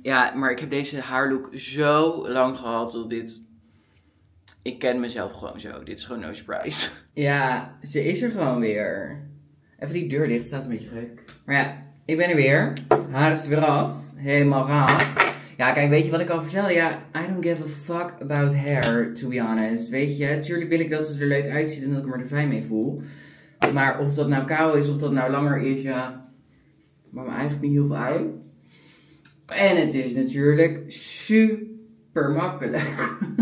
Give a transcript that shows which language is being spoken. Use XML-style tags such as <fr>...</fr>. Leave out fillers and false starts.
<nl>Ja, maar ik heb deze haarlook zo lang gehad tot dit... Ik ken mezelf gewoon zo. Dit is gewoon</nl> <en>no surprise.</en> <nl>Ja, ze is er gewoon weer. Even die deur dicht, staat een beetje gek. Maar ja, ik ben er weer. Haar is er weer af. Helemaal raaf. Ja, kijk, weet je wat ik al vertelde?</nl> <en>Ja, I don't give a fuck about hair, to be honest.</en> <nl>Weet je, tuurlijk wil ik dat ze er leuk uitziet en dat ik me er fijn mee voel. Maar of dat nou kaal is, of dat nou langer is, ja... Maar me eigenlijk niet heel veel uit. En het is natuurlijk super makkelijk.</nl>